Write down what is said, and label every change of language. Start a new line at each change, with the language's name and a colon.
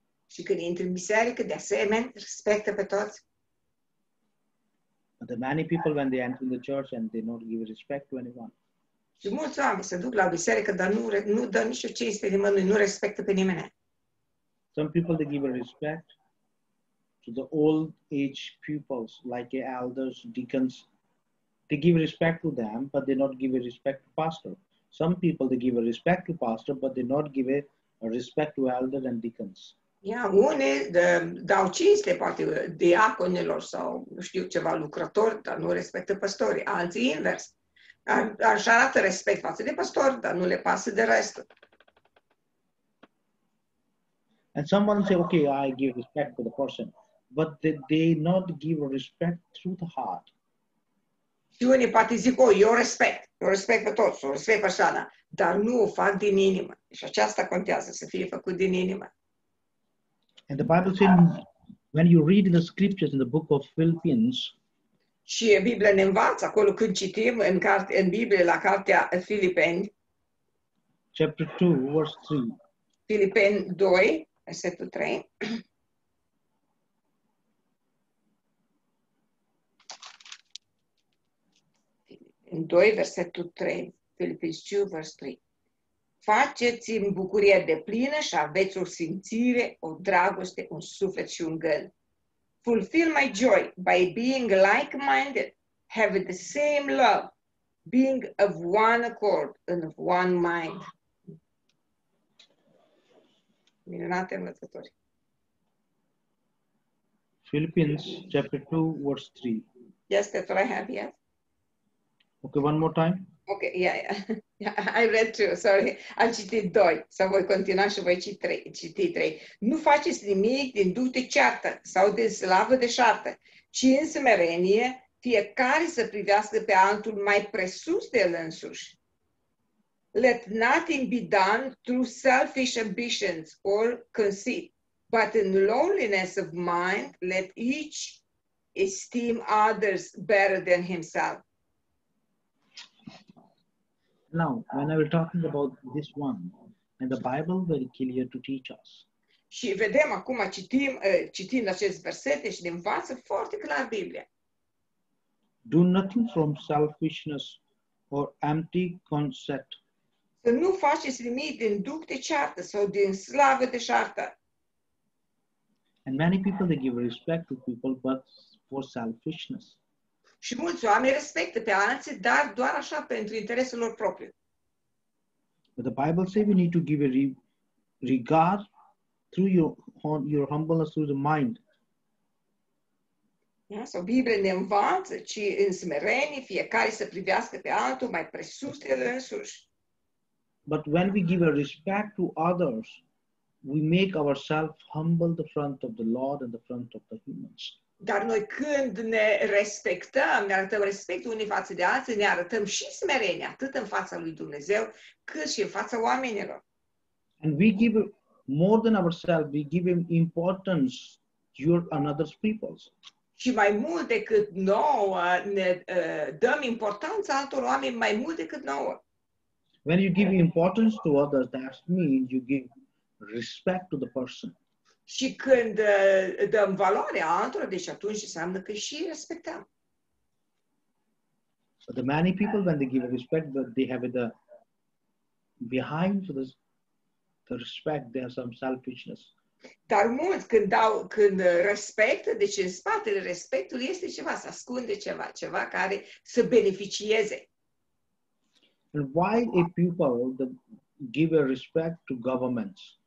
Romanian: Și când intri în biserică, de asemenea, respectă pe toți.
English: But the many people when they enter in the church and they not give respect to anyone.
Romanian: Și mulți oameni se duc la biserică, dar nu dă nicio cinste nimănui, nu respectă pe nimeni.
English: Some people they give respect to the old age pupils, like elders, deacons. They give respect to them, but they not give a respect to pastor. Some people, they give a respect to pastor, but they not give a respect to elders and deacons.
Romanian: Yeah, unii dau cinste, poate, diaconilor sau, nu știu, ceva lucrători, dar nu respectă pastorii. Alții, invers. Așa arată respect față de pastor, dar nu le pasă de restul.
English: And someone say, okay, I give respect to the person. But they not give respect through the heart.
Romanian: Și unii poate zic, oh, eu respect. Eu respect pe toți, eu respect persoana. Dar nu o fac din inimă. Și aceasta contează, să fie făcut din inimă.
English: And the Bible says, when you read the scriptures in the book of Philippians,
Romanian: și Biblia ne învață, acolo când citim în Biblie, la cartea Filipeni,
English: chapter 2, verse 3,
Romanian: Filipeni 2, versetul 3, în 2, versetul 3, Filipeni 2, versetul 3. Faceți-mi bucurie de plină și aveți o simțire, o dragoste, un suflet și un gând.
English: Fulfill my joy by being like-minded, having the same love, being of one accord and of one mind.
Romanian: Minunate învățători.
English: Philippians chapter 2, verse 3. Yes, that's what I have, yes. Okay, one more time. Okay, yeah. I read two, sorry.
Romanian: Am citit doi. Sau voi continua și voi citi trei. Nu faceți nimic din duh de ceartă sau de slavă de șartă, ci în smerenie fiecare să privească pe altul mai presus de el însuși.
English: Let nothing be done through selfish ambitions or conceit, but in lowliness of mind let each esteem others better than himself. Now, when I was talking about this one, and the Bible very clear to teach us.
Romanian: Și vedem acum citind acest verset și ne învață foarte clar Biblia.
English: Do nothing from selfishness or empty conceit.
Romanian: Să nu faceți nimic din duc de ceartă sau din slavă de șartă.
English: And many people they give respect to people, but for selfishness.
Romanian: Și mulți oameni respectă pe alții, dar doar așa pentru interesul lor propriu.
English: But the Bible says we need to give a regard through your humbleness through the mind.
Romanian: Yeah, so Biblia ne învață, ci în smerenie fiecare să privească pe altul mai presus de el însuși.
English: But when we give a respect to others, we make ourselves humble the front of the Lord and the front of the humans.
Romanian: Dar noi când ne respectăm, ne arătăm respect unii față de alții, ne arătăm și smerenie, atât în fața lui Dumnezeu, cât și în fața oamenilor.
English: And we give more than ourselves, we give him importance to your another's peoples.
Romanian: Și mai mult decât nouă, ne dăm importanță altor oameni mai mult decât nouă.
English: When you give importance to others, that means you give respect to the person.
Romanian: Și când dăm valoare altora, deci atunci înseamnă că și respectăm.
English: But the many people, when they give respect, they have the behind for this, the respect, they have some selfishness.
Romanian: Dar mulți când dau, când respectă, deci în spatele respectului este ceva, se ascunde ceva, ceva care să beneficieze.
English: And why a people that give a respect to governments?